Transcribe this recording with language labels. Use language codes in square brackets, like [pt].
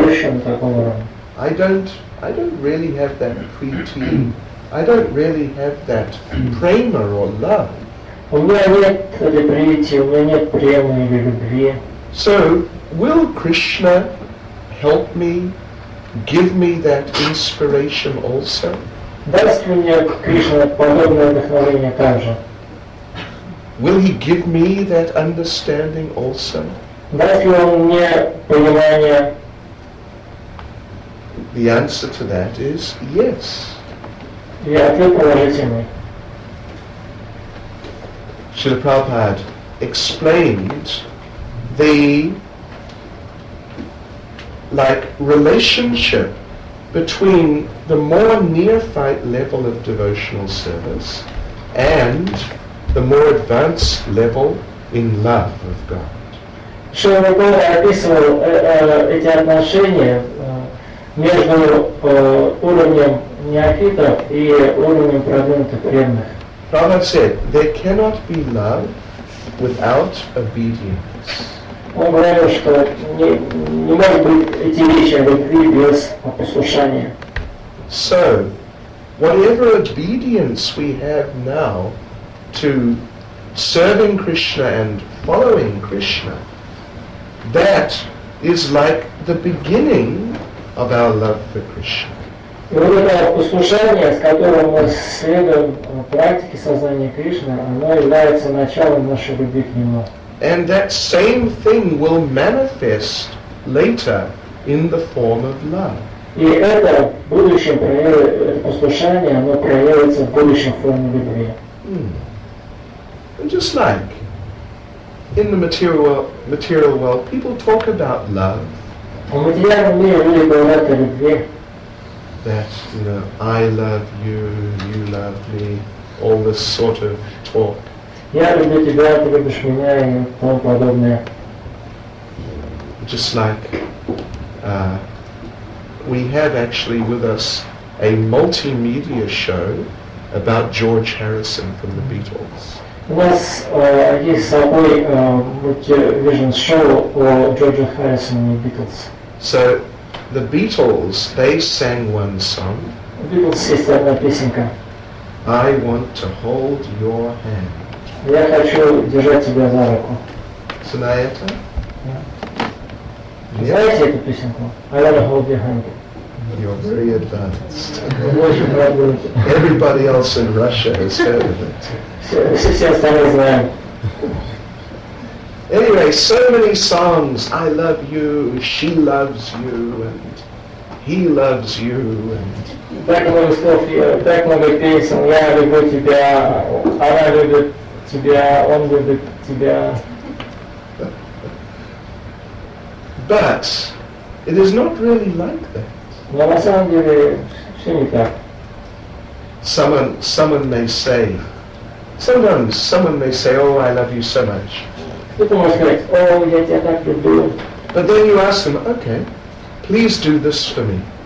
[en] I don't really have that preti. I don't really have that prema or love. [ru] У меня нет этой прити, у меня нет премы или любви. [en] So will Krishna help me, give me that inspiration also? [ru] Даст мне Кришна подобное вдохновение также? [en] Will he give me that understanding also? [ru] Даст ли он мне понимание? [en] The answer to that is yes. [ru] И ответ положительный. [en] Srila Prabhupada explained the relationship between the more neophyte level of devotional service and the more advanced level in love of God. [ru] Srila Prabhupada описывал эти отношения между уровнем неофитов и уровнем продвинутых преданных. [en] Prabhupada said, there cannot be love without obedience. [ru] Он говорил, что не может быть эти вещи любви без послушания. [en] So, whatever obedience we have now to serving Krishna and following Krishna, that is like the beginning of our love for Krishna. [ru] И вот это послушание, с которым мы следуем практике сознания Кришны, оно является началом нашей любви к Нему. [en] And that same thing will manifest later in the form of love. [ru] И это в будущем послушание, оно проявится в будущем форме любви. [en] And just like in the material world, people talk about love. [ru] В материальном мире люди говорят о любви. [en] That, you know, I love you, you love me, all this sort of talk. [ru] Я люблю тебя, ты любишь меня и тому подобное. [en] Just like we have actually with us a multimedia show about George Harrison from the Beatles. [ru] У нас есть с собой [en] multivision show [ru] о George Harrison and the Beatles. [en] So the Beatles, they sang one song. [ru] Beatles is одна песенка. [en] I want to hold your hand. [ru] Я хочу держать тебя за руку. Знаете это? [en] Yeah. [ru] Знаете эту песенку? [en] I want to hold your hand. You're very advanced. Everybody else in Russia has heard of it. [ru] Все остальные знают. [en] Anyway, so many songs, I love you, she loves you, and he loves you, and... [ru] Так много слов, так много песен, я люблю тебя, она любит тебя, он любит тебя. [en] But it is not really like that. [ru] Но на самом деле все не так. [en] Sometimes someone may say, oh, I love you so much. But then you ask them, okay, please do this for me.